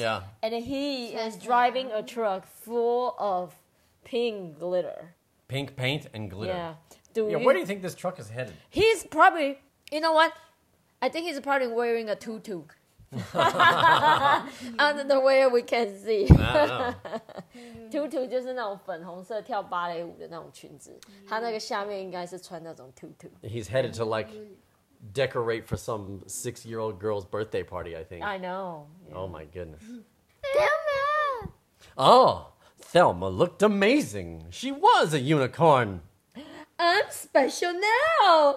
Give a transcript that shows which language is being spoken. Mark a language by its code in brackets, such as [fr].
[en] Yeah. And he is driving a truck full of pink glitter. Pink paint and glitter. Yeah. Where do you think this truck is headed? He's probably. You know what? I think he's probably wearing a tutu. Under the way we can see. [zh] Tutu 就是那种粉红色跳芭蕾舞的那种裙子. 他那个下面应该是穿那种 tutu. [en] He's headed to like decorate for some 6-year-old girl's birthday party, I think. I know. Yeah. Oh my goodness. Thelma! Oh, Thelma looked amazing. She was a unicorn. I'm special now!